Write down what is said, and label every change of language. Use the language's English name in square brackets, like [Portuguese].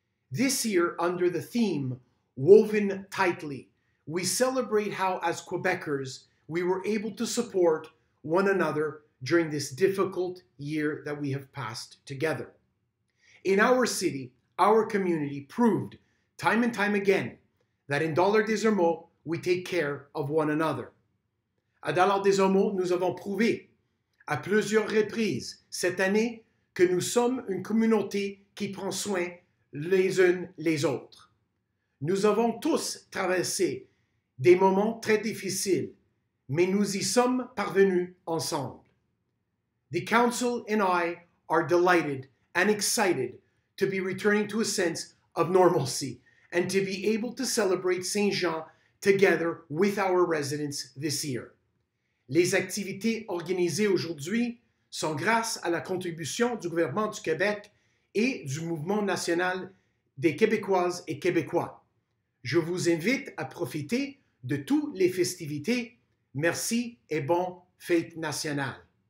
[English] This year, under the theme, Woven Tightly, we celebrate how, as Quebecers, we were able to support one another during this difficult year that we have passed together. In our city, our community proved, time and time again, that in Dollar des Ormeaux, we take care of one another. [French] À Dollar des Ormeaux, nous avons prouvé, à plusieurs reprises cette année, que nous sommes une communauté qui prend soin les unes les autres. Nous avons tous traversé des moments très difficiles, mais nous y sommes parvenus ensemble. [English] The council and I are delighted and excited to be returning to a sense of normalcy and to be able to celebrate Saint-Jean together with our residents this year. [French] Les activités organisées aujourd'hui sont grâce à la contribution du gouvernement du Québec et du Mouvement national des Québécoises et Québécois. Je vous invite à profiter de toutes les festivités. Merci et bonne fête nationale.